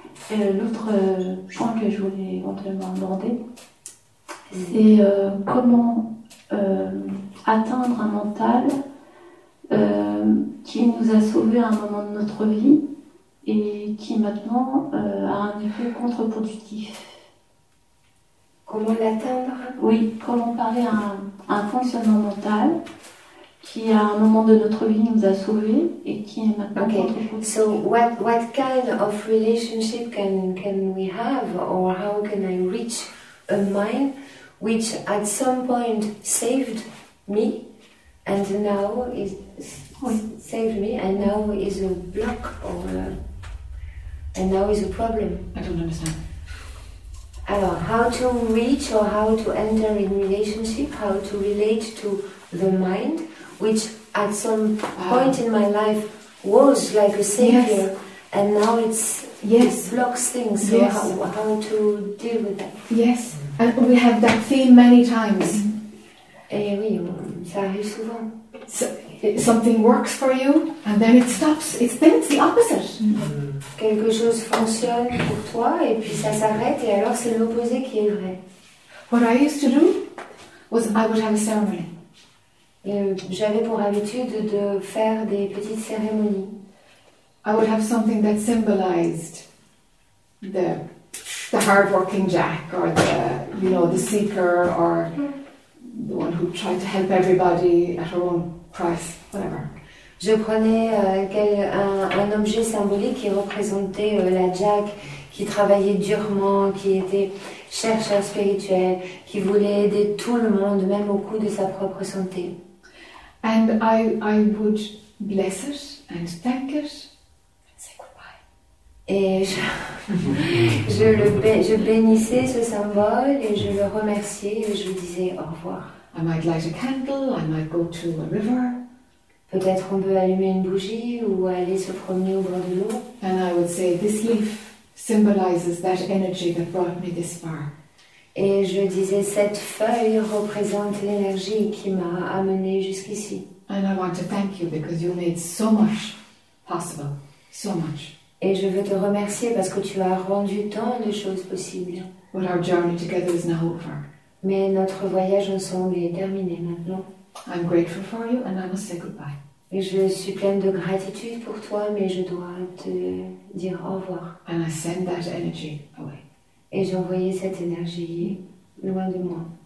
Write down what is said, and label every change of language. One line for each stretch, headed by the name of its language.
French: Et l'autre point que je voulais éventuellement aborder, c'est comment atteindre un mental qui nous a sauvés à un moment de notre vie et qui maintenant a un effet contre-productif. Comment l'atteindre ? Oui, comment parler à un fonctionnement mental qui à un moment de notre vie nous a sauvés et qui est maintenant contre-productif.
English: So what kind of relationship can we have, or how can I reach a mind which at some point saved me and now is saved me and now is a block or and now is a problem. I don't understand. Alors, how to reach or how to enter in relationship, how to relate to the mind, which at some point in my life was like a savior, yes, and now it's it blocks things. So yes. how to deal with that? Yes, and we have that feeling many times.
French: Eh oui, ça arrive souvent.
English: Something works for you, and then it stops. Then it's the opposite.
French: Quelque chose fonctionne pour toi, et puis ça s'arrête, et alors c'est l'opposé qui est vrai.
English: What I used to do was I would have a ceremony.
French: J'avais pour habitude de faire des petites cérémonies.
English: I would have something that symbolized the hardworking Jack, or the, you know, the seeker, or the one who tried to help everybody at her own price, whatever.
French: Je prenais un objet symbolique qui représentait la Jack qui travaillait durement, qui était chercheur spirituel, qui voulait aider tout le monde, même au coût de sa propre santé.
English: And I would bless it and thank it and say goodbye.
French: Et je bénissais ce symbole et je le remerciais et je lui disais au revoir.
English: I might light a candle, I might go to a river.
French: Peut-être on peut allumer une bougie ou aller se promener au bord de l'eau.
English: And I would say this leaf symbolizes that energy that brought me this far.
French: Et je disais cette feuille représente l'énergie qui m'a amené jusqu'ici.
English: And I want to thank you because you made so much possible, so much.
French: Et je veux te remercier parce que tu as rendu tant de choses possibles.
English: But our journey together is now over.
French: Mais notre voyage ensemble est terminé maintenant.
English: I'm grateful for you and I must say goodbye.
French: Et je suis pleine de gratitude pour toi, mais je dois te dire au revoir.
English: And I send that energy away.
French: Et j'ai envoyé cette énergie loin de moi.